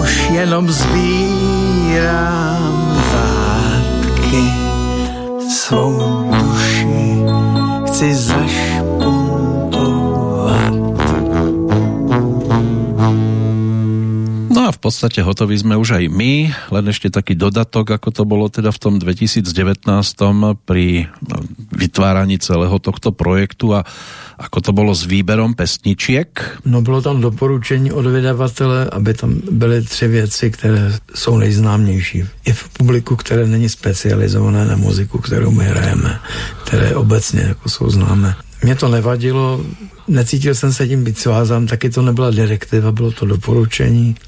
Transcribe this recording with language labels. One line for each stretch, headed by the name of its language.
Czech: Jenom zbírám zátky, svou duši chci zašpuntovat.
Slovak: No a v podstate hotoví sme už aj my, len ešte taký dodatok, ako to bolo teda v tom 2019 pri vytváraní celého tohto projektu a ako to bolo s výberom pesničiek?
Czech: No, bolo tam doporučení od vydavatele, aby tam byly tři věci, které jsou nejznámější. I v publiku, které není specializované na muziku, kterou my hrajeme, které obecně jako jsou známe. Mě to nevadilo, necítil jsem se tím být svázán, taky to nebyla direktiva, bylo to doporučení.